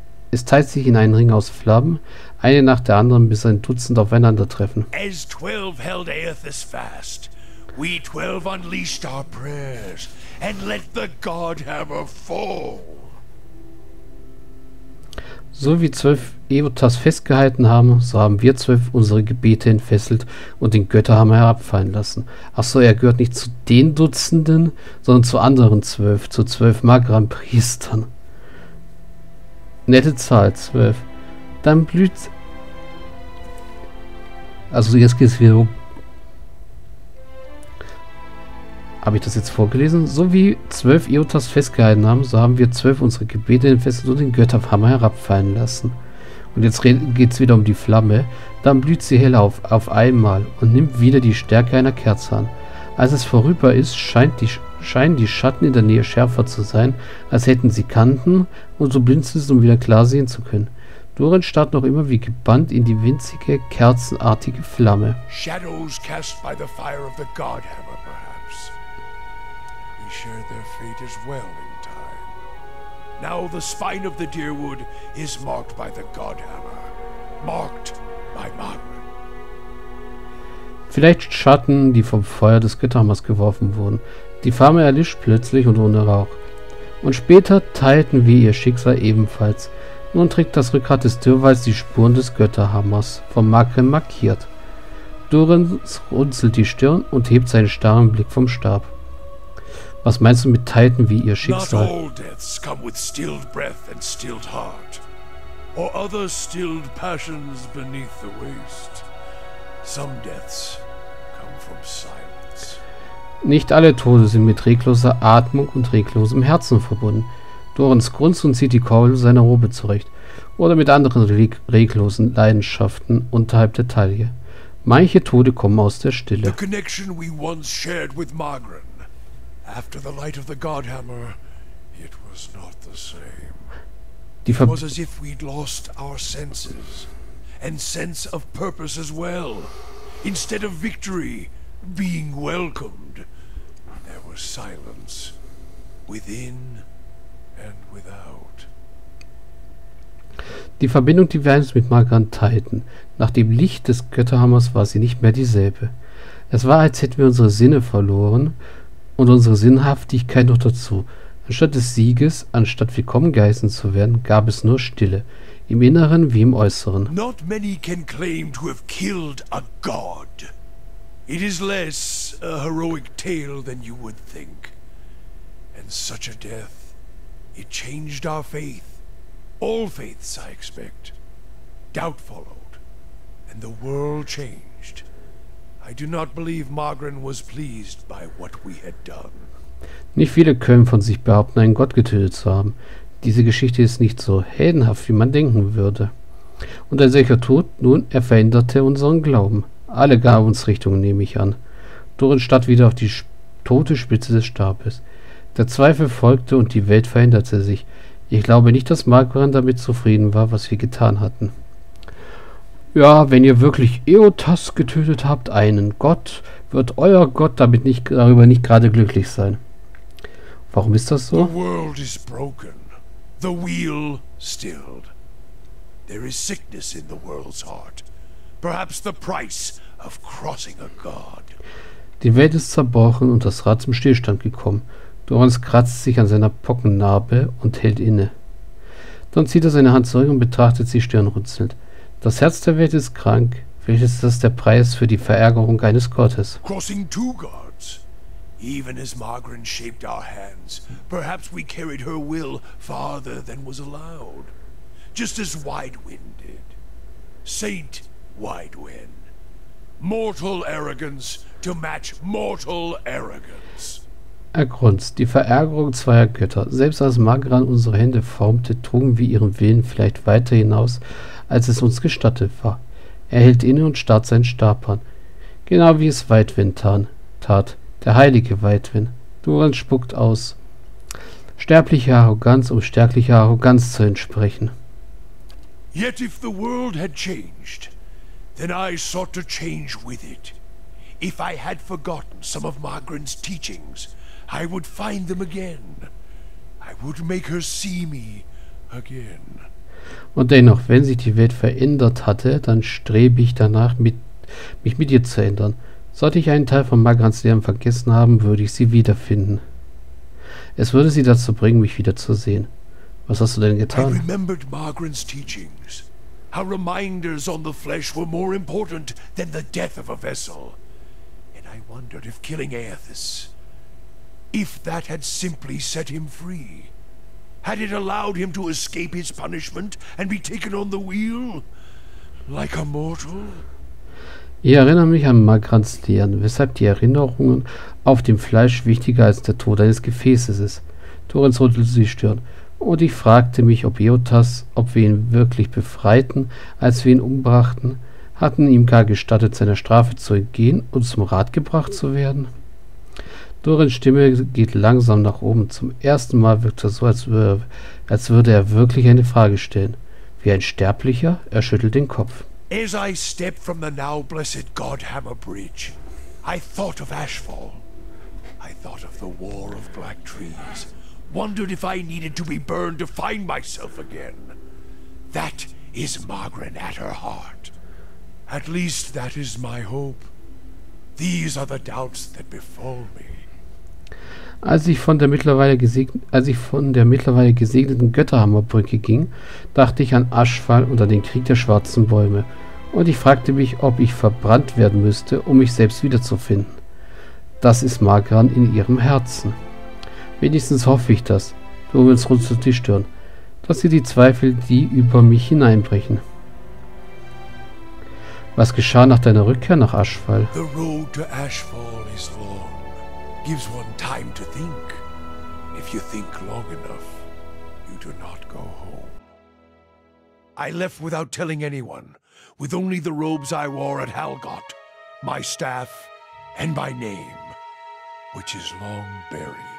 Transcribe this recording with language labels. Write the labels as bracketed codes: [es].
[de] Es teilt sich in einen Ring aus Flammen, eine nach der anderen, bis ein Dutzend aufeinandertreffen. [en] As 12 held Aethys fast, we 12 unleashed our prayers and let the Godhammer fall. [de] So wie 12 Eotas festgehalten haben, so haben wir 12 unsere Gebete entfesselt und den Götterhammer herabfallen lassen. Achso, er gehört nicht zu den Dutzenden, sondern zu anderen 12, zu 12 Magran-Priestern. Nette Zahl, 12. Dann blüht. Also jetzt geht's wieder um. Habe ich das jetzt vorgelesen? So wie 12 Eotas festgehalten haben, so haben wir 12 unsere Gebete entfesselt und den Götterhammer herabfallen lassen. Und jetzt geht's wieder um die Flamme. Dann blüht sie hell auf einmal und nimmt wieder die Stärke einer Kerze an. Als es vorüber ist, scheinen die Schatten in der Nähe schärfer zu sein, als hätten sie Kanten und so blinzeln sie, um wieder klar sehen zu können. Durin starrt noch immer wie gebannt in die winzige, kerzenartige Flamme. [en] Shadows cast by the fire of the Godhammer, perhaps. We share their fate as well in time. Now the spine of the Deerwood is marked by the Godhammer. Marked by Martin. [de] Vielleicht Schatten, die vom Feuer des Götterhammers geworfen wurden. Die Flamme erlischt plötzlich und ohne Rauch. Und später teilten wir ihr Schicksal ebenfalls. Nun trägt das Rückgrat des Dürrwalds die Spuren des Götterhammers, vom Magrin markiert. Durin runzelt die Stirn und hebt seinen starren Blick vom Stab. Was meinst du mit teilten wie ihr Schicksal? [en] Not all deaths come with stilled breath and stilled heart. Or other stilled passions beneath the waist. Some deaths come from silence. [de] Nicht alle Tode sind mit regloser Atmung und reglosem Herzen verbunden. Dorans grunzt und zieht die Kordel seiner Robe zurecht. Oder mit anderen reglosen Leidenschaften unterhalb der Taille. Manche Tode kommen aus der Stille. [en] The connection we once shared with Margrin. After the light of the Godhammer, it was not the same. [de] Die [en] it was as if we'd lost our senses. And sense of purpose as well. Instead of victory, being welcomed, there was silence within and without. [de] Die Verbindung, die wir einst mit Margaret teilten, nach dem Licht des Götterhammers war sie nicht mehr dieselbe. Es war, als hätten wir unsere Sinne verloren und unsere Sinnhaftigkeit noch dazu. Anstatt des Sieges, anstatt willkommen geheißen zu werden, gab es nur Stille, im Inneren wie im Äußeren. [en] Not many can claim to have killed a god. It is less a heroic tale than you would think. And such a death, it changed our faith. All faiths, I expect. Doubt followed, and the world changed. I do not believe Margren was pleased by what we had done. [de] Nicht viele können von sich behaupten, einen Gott getötet zu haben. Diese Geschichte ist nicht so heldenhaft, wie man denken würde. Und ein solcher Tod, nun, er veränderte unseren Glauben. Alle gaben uns Richtung, nehme ich an. Durin starrte wieder auf die tote Spitze des Stabes. Der Zweifel folgte und die Welt veränderte sich. Ich glaube nicht, dass Margren damit zufrieden war, was wir getan hatten. Ja, wenn ihr wirklich Eotas getötet habt, einen Gott, wird euer Gott damit nicht, darüber nicht gerade glücklich sein. Warum ist das so? [en] The world is broken. The wheel stilled. There is sickness in the world's heart. Perhaps the price of crossing a god. [de] Die Welt ist zerbrochen und das Rad zum Stillstand gekommen. Dorans kratzt sich an seiner Pockennarbe und hält inne. Dann zieht er seine Hand zurück und betrachtet sie stirnrunzelnd. Das Herz der Welt ist krank. Vielleicht ist das der Preis für die Verärgerung eines Gottes. [en] Crossing two gods. Even as Margren shaped our hands, perhaps we carried her will farther than was allowed. Just as Widewind did. Saint Widewind. Mortal arrogance to match mortal arrogance. [de] Er grunzt. Die Verärgerung zweier Götter. Selbst als Margren unsere Hände formte, trugen wir ihren Willen vielleicht weiter hinaus, als es uns gestattet war. Er hielt inne und starrt seinen Stab an. Genau wie es Widewind tat. Der heilige Widewind. Durin spuckt aus. Sterbliche Arroganz, um sterblicher Arroganz zu entsprechen. [en] Yet if the world had changed, then I sought to change with it. If I had forgotten some of Margren's teachings, I would find them again. I would make her see me again. [de] Und dennoch, wenn sich die Welt verändert hatte, dann strebe ich danach, mich mit ihr zu ändern. Sollte ich einen Teil von Margrans Lehren vergessen haben, würde ich sie wiederfinden. Es würde sie dazu bringen, mich wiederzusehen. Was hast du denn getan? [en] I remembered Margrans teachings. How reminders on the flesh were more important than the death of a vessel. And I wondered if killing Aethys, if that had simply set him free. Had it allowed him to escape his punishment and be taken on the wheel? Like a mortal? [de] Ich erinnere mich an Margrans Lehren, weshalb die Erinnerungen auf dem Fleisch wichtiger als der Tod eines Gefäßes ist. Torrens rüttelte die Stirn, und ich fragte mich, ob Eotas, ob wir ihn wirklich befreiten, als wir ihn umbrachten, hatten ihm gar gestattet, seiner Strafe zu entgehen und zum Rat gebracht zu werden? Torrens Stimme geht langsam nach oben. Zum ersten Mal wirkt er so, als würde er wirklich eine Frage stellen. Wie ein Sterblicher? Er schüttelt den Kopf. [en] As I stepped from the now blessed Godhammer Bridge, I thought of Ashfall. I thought of the War of Black Trees. Wondered if I needed to be burned to find myself again. That is Margren at her heart. At least that is my hope. These are the doubts that befall me. [de] Als ich von der mittlerweile gesegneten Götterhammerbrücke ging, dachte ich an Aschfall und an den Krieg der schwarzen Bäume. Und ich fragte mich, ob ich verbrannt werden müsste, um mich selbst wiederzufinden. Das ist Margren in ihrem Herzen. Wenigstens hoffe ich das. Durins runzelt die Stirn. Dass sie die Zweifel, die über mich hineinbrechen. Was geschah nach deiner Rückkehr nach Aschfall? [en] The road to Ashfall is long. Gives one time to think. If you think long enough, you do not go home. I left without telling anyone, with only the robes I wore at Halgott, my staff, and my name, which is long buried.